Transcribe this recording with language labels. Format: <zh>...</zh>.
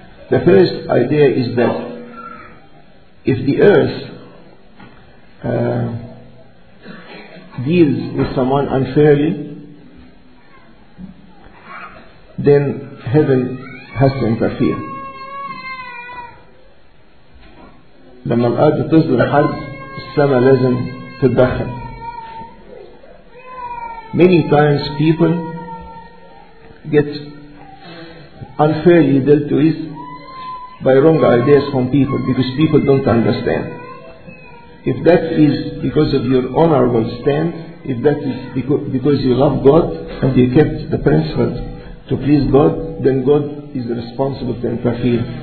<en>The first idea is that if the earth deals with someone unfairly, then heaven has to interfere.</en> <ar>لما الأرض تصدر حرب السماء لازم تتدخل.</ar> <en>Many times people get unfairly dealt with by wrong ideas from people, because people don't understand. If that is because of your honorable stand, if that is because you love God and you kept the principles to please God, then God is responsible to interfere.</en>